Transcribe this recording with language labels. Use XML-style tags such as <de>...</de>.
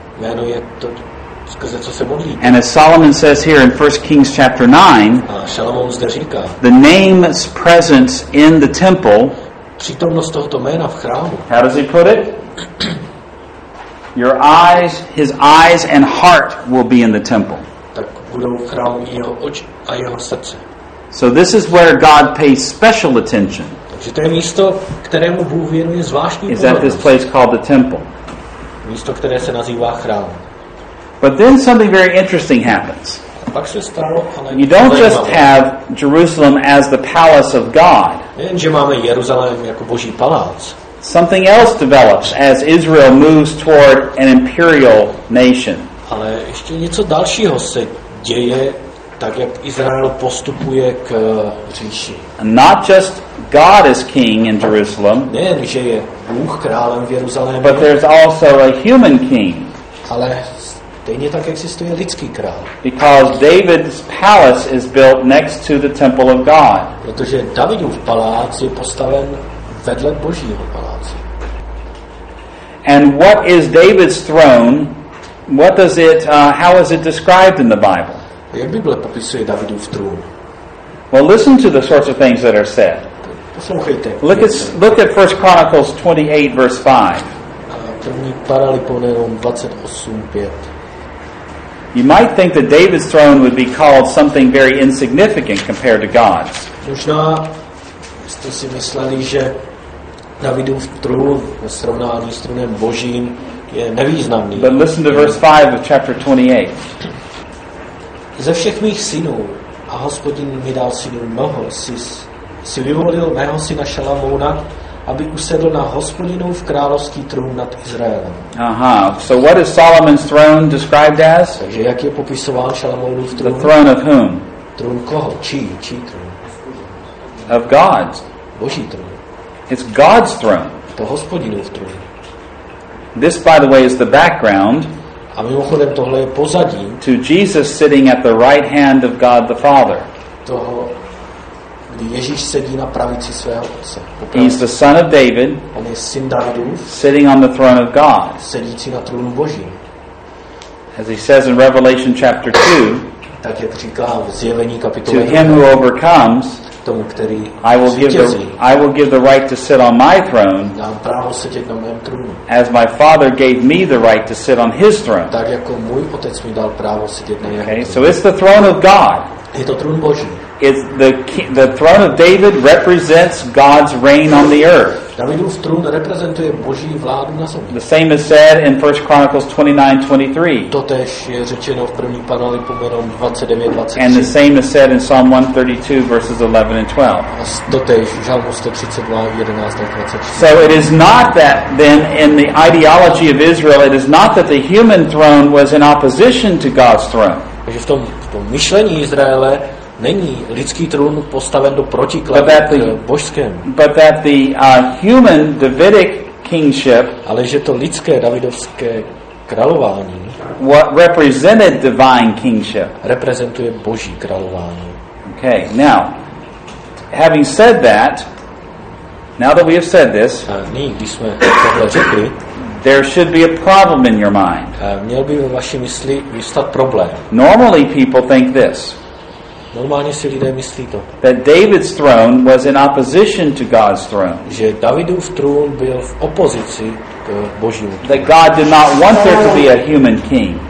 <cs>Jméno je to, skrze co se modlíte.</cs> <en>And as Solomon says here in 1 Kings chapter 9,</en> <cs>Šalamón zde říká,</cs> <en>the name's presence in the temple.</en> <cs>Přítomnost tohoto jména v chrámu.</cs> <en>How does he put it? Your eyes, his eyes and heart will be in the temple.</en> <cs>Tak budou v chrámu jeho oči a jeho srdce.</cs> <en>So this is where God pays special attention.</en> <cs>Takže to je místo, kterému Bůh věnuje zvláštní pozornost.</cs> <en>Is that this place called the temple?</en> <cs>Místo, které se nazývá chrám.</cs> <en>But then something very interesting happens.</en> <cs>Pak se stalo, ale</cs> <en>you don't just have Jerusalem as the palace of God.</en> <cs>Jenže máme Jeruzalém jako Boží palác.</cs> <en>Something else develops as Israel moves toward an imperial nation.</en> <cs>Ale ještě něco dalšího se děje, tak jak Izrael postupuje k říši.</cs> <en>Not just God is king in Jerusalem.</en> <cs>Nejenže je Bůh králem v Jeruzalémě.</cs> <en>But there's also a human king.</en> <cs>Ale stejně tak existuje lidský král.</cs> <en>Because David's palace is built next to the temple of God.</en> <cs>Protože Davidův palác je postaven vedle Božího paláce.</cs> <en>And what is David's throne? What does it how is it described in the Bible?</en> <cs>Jak Bible popisuje Davidův trůn?</cs> <en>Well, listen to the sorts of things that are said.</en> <cs>Poslouchejte.</cs> <en>Look at 1 Chronicles 28 verse 5.</en> <cs>První Paralipomenon 28:5.</cs> <en>You might think that David's throne would be called something very insignificant compared to God's.</en> <cs>Možná jste si mysleli, že Davidův trůn ve srovnání s trůnem Božím je nevýznamný.</cs> <en>But listen to verse 5 of chapter 28.</en> <cs>Ze všech mých synů, a Hospodin mi dal synů mnoho, si vyvolil mého syna Šalamouna, aby usedl na Hospodinův královský trůn nad Izraelem. Aha.</cs> <en>So what is Solomon's throne described as?</en> <cs>Takže jak je popisován Šalamounův trůn?</cs> <en>The throne of whom?</en> <cs>Trůn koho? Čí trůn?</cs> <en>Of God.</en> <cs>Boží trůn.</cs> <en>It's God's throne.</en> <cs>To Hospodinův trůn.</cs> <en>This, by the way, is the background.</en> <cs>A mimochodem tohle je pozadí.</cs> <en>To Jesus sitting at the right hand of God the Father.</en> <cs>Toho, kdy Ježíš sedí na pravici svého otce.</cs> <en>He's the son of David.</en> <cs>On je syn Davidův.</cs> <en>Sitting on the throne of God.</en> <cs>Sedící na trůnu Božím.</cs> <en>As he says in Revelation chapter 2.</en> <cs>Tak jak říká v Zjevení kapitole</cs> <en>2. To him who overcomes.</en> <cs>Tomu, který</cs> <en>I will give the right to sit on my throne.</en> <cs>Dám právo sedět na mém trůnu.</cs> <en>As my father gave me the right to sit on his throne.</en> <cs>Tak jako můj otec mi dal právo sedět na jeho trůnu.</cs> <en>Okay, so it's the throne of God.</en> <cs>Je to trůn Boží.</cs> <en>It's the throne of David represents God's reign on the earth.</en> <cs>Davidův trůn reprezentuje Boží vládu na zemi.</cs> <en>The same is said in 1 Chronicles 29:23.</en> <cs>Totéž je řečeno v první Paralipomenon 29:23.</cs> <en>And the same is said in Psalm 132 verses 11 and 12.</en> <cs>Totéž v Žalmu 132:11-24.</cs> <en>So it is not that then in the ideology of Israel it is not that the human throne was in opposition to God's throne.</en> <cs>Takže v tom myšlení Izraele není lidský trůn postaven do protikladu k božskému.</cs> <en>But that the human Davidic kingship,</en> <cs>ale že to lidské Davidovské králování,</cs> <en>what represented divine kingship,</en> <cs>reprezentuje boží králování.</cs> <en>Okay, now, having said that, now that we have said this,</en> <cs>když jsme tohle řekli,</cs> <en>there should be a problem in your mind.</en> <cs>Měl by ve vaší mysli vystat problém.</cs> <en>Normally people think this.</en> <cs>Normálně si lidé myslí to.</cs> <en>That David's throne was in opposition to God's throne.</en> <cs>Že Davidův trůn byl v opozici k Božímu trůnu.</cs> <en>That God did not want there to be a human king.</en>